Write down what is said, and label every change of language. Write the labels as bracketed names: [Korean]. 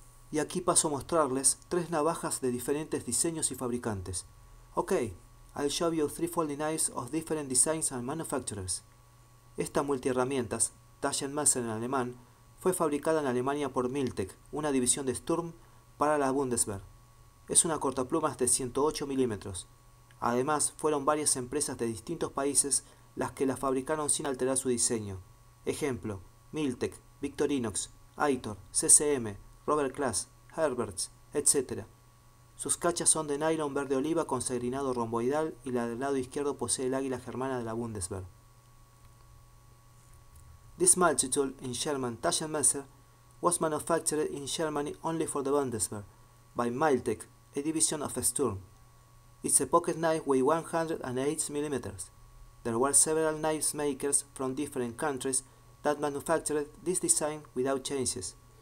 [Spanish] Y aquí paso a mostrarles tres navajas de diferentes diseños y fabricantes. [English] Ok, I'll show you three folding knives of different designs and manufacturers. [Spanish] Esta multiherramientas, Taschenmesser en alemán, fue fabricada en Alemania por Miltec, una división de Sturm, para la Bundeswehr. Es una cortaplumas de 108 mm. Además, fueron varias empresas de distintos países las que la fabricaron sin alterar su diseño. Ejemplo, Miltec, Victorinox, Aitor, CCM, Robert Class, Herberts, etc. Sus cachas son de nylon verde oliva con segrinado romboidal y la del lado izquierdo posee el águila germana de la Bundeswehr. [English] This multitude in German Taschenmesser was manufactured in Germany only for the Bundeswehr by Miltec, a division of Sturm. It's a pocket knife with 108 mm. There were several knife makers from different countries that manufactured this design without changes.